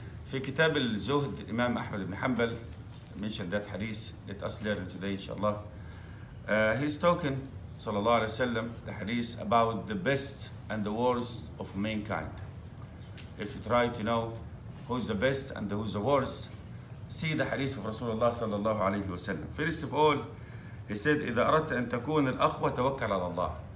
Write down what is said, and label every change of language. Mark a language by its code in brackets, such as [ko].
[ar] في كتاب الزهد الإمام أحمد بن حنبل [en] mentioned that hadith. Let us learn today inshallah. He's talking, sallallahu alayhi wa sallam, the hadith about the best and the worst of mankind. If you try to know who's the best and who's the worst, see the hadith of Rasulullah sallallahu alayhi wa sallam. First of all, he said, [ar] إذا أردت أن تكون الأقوى توكل على الله.